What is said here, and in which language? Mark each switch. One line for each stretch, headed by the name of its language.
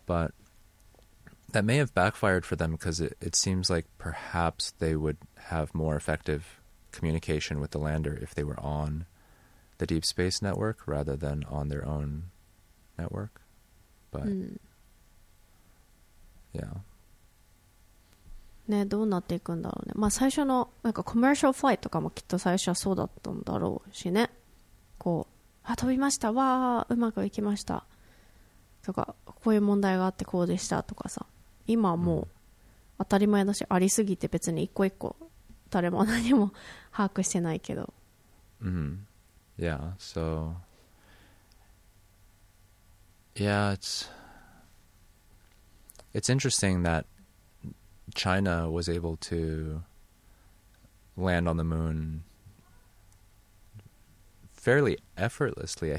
English: But that may have backfired for them because it seems like perhaps they would have more effective communication with the lander if they were on the deep space network rather than on their own network. But, yeah.
Japanese: ね、どうなっていくんだろうね。まあ最初のなんかコマーシャルフライトとかもきっと最初はそうだったんだろうしね。こう、あ、飛びました。わあ、うまくいきました。とかこういう問題があってこうでしたとかさ今はもう当たり前だしありすぎて別に一個一個誰も何も把握してないけど、
English: Yeah, so yeah, it's interesting that China was able to land on the moon fairly effortlessly.